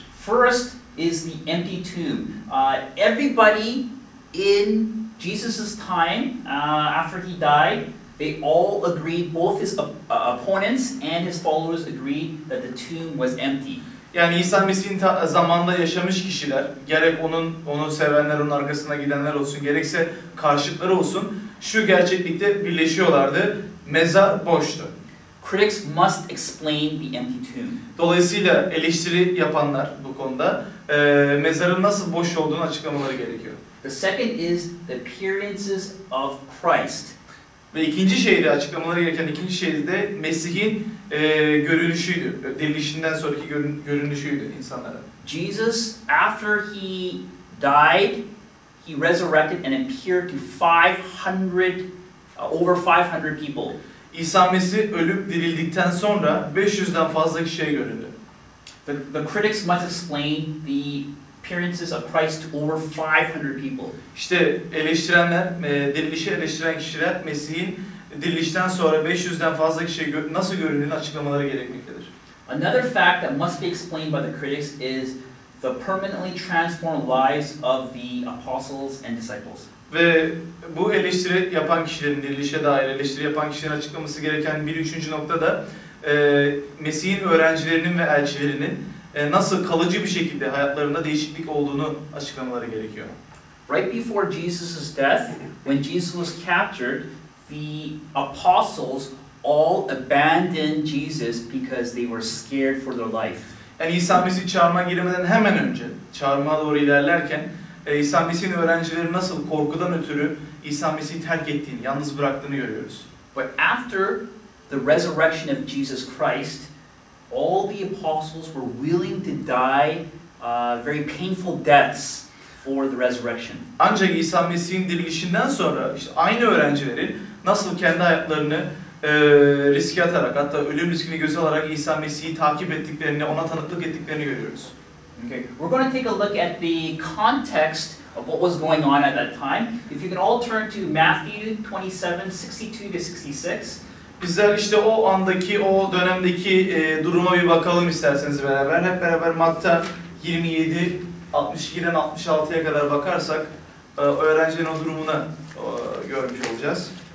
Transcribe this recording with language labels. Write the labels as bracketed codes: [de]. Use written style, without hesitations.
[en] First, is the empty tomb. Everybody in Jesus' time, after he died, they all agreed, both his opponents and his followers agreed that the tomb was empty. [tr] Yani İsa Mesih'in zamanında yaşamış kişiler, gerek onu sevenler, onun arkasına gidenler olsun, gerekse karşıtları olsun, şu gerçeklikte birleşiyorlardı. Mezar boştu. [en] Critics must explain the empty tomb. [tr] Dolayısıyla eleştiri yapanlar bu konuda mezarın nasıl boş olduğunu açıklamaları gerekiyor. [en] The second is the appearances of Christ. [tr] Ve ikinci şeyde açıklamaları gereken ikinci şeyde de Mesih'in görünüşüydü. Dirilişinden sonraki görünüşüydü insanlara. [en] Jesus after he died, he resurrected and appeared to 500 over 500 people. [tr] İsa Mesih ölüp dirildikten sonra 500'den fazla kişiye göründü. [en] The critics must explain the appearances of Christ to over 500 people. [tr] İşte eleştirenler, dirilişi eleştiren kişiler Mesih'in dirilişten sonra 500'den fazla kişiye nasıl göründüğünü açıklamaları gerekmektedir. [en] Another fact that must be explained by the critics is the permanently transformed lives of the apostles and disciples. [tr] Ve bu eleştiri yapan kişilerin, dirilişe dair eleştiri yapan kişilerin açıklaması gereken bir üçüncü nokta da Mesih'in öğrencilerinin ve elçilerinin nasıl kalıcı bir şekilde hayatlarında değişiklik olduğunu açıklamaları gerekiyor. [en] Right before Jesus' death, when Jesus was captured, the apostles all abandoned Jesus because they were scared for their life. [tr] Yani İsa Mesih çarmıha girmeden hemen önce, çarmıha doğru ilerlerken, İsa Mesih'in öğrencileri nasıl korkudan ötürü İsa Mesih'i terk ettiğini, yalnız bıraktığını görüyoruz. [en] But after the resurrection of Jesus Christ, all the apostles were willing to die very painful deaths for the resurrection. [tr] Ancak İsa Mesih'in dirilişinden sonra işte aynı öğrencileri nasıl kendi hayatlarını riske atarak, hatta ölüm riskini göze alarak İsa Mesih'i takip ettiklerini, ona tanıklık ettiklerini görüyoruz. [en] Okay, we're going to take a look at the context of what was going on at that time. If you can all turn to Matthew 27:62-66. [tr] Bizler işte o andaki, o dönemdeki duruma bir bakalım isterseniz beraber. Hep beraber Matta 27, 62'den 66'ya kadar bakarsak öğrencilerin o durumunu görmüş olacağız.